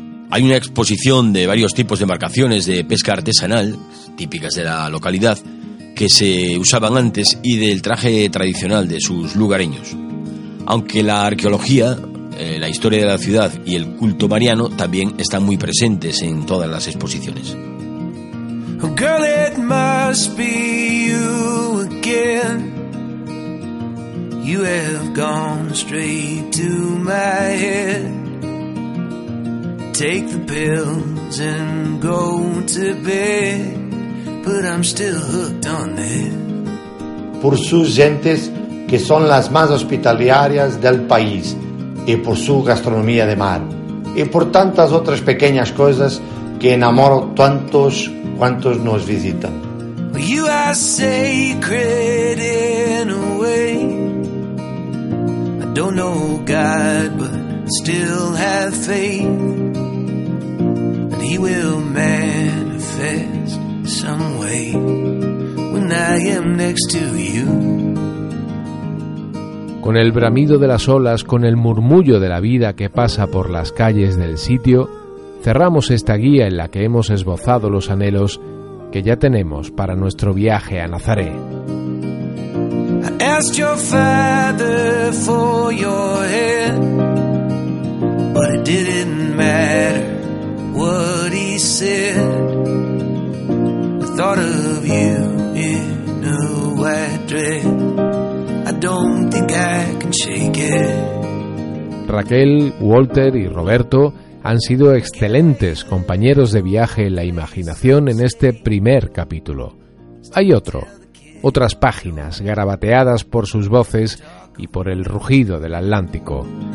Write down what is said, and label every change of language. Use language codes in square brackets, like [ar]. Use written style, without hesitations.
[es] Hay una exposición de varios tipos de embarcaciones de pesca artesanal, típicas de la localidad, que se usaban antes y del traje tradicional de sus lugareños. Aunque la arqueología, la historia de la ciudad y el culto mariano también están muy presentes en todas las exposiciones. [en] Girl, it must be you again. You have gone straight to my head. Take the pills and go to bed. But I'm still hooked on it. [es] Por sus gentes que son las más hospitalarias del país y por su gastronomía de mar y por tantas otras pequeñas cosas que enamoro tantos cuantos nos visitan. [en] You are sacred in a way. I don't know God, but still have faith. And he will manifest some way when I am next to you. [es] Con el bramido de las olas, con el murmullo de la vida que pasa por las calles del sitio, cerramos esta guía en la que hemos esbozado los anhelos que ya tenemos para nuestro viaje a Nazaré. [en] I asked your father for your head, but it didn't matter what he said. I thought of you in a white dress. I don't think I can shake it. [es] Raquel, Walter y Roberto han sido excelentes compañeros de viaje en la imaginación en este primer capítulo. Hay otras páginas garabateadas por sus voces y por el rugido del Atlántico.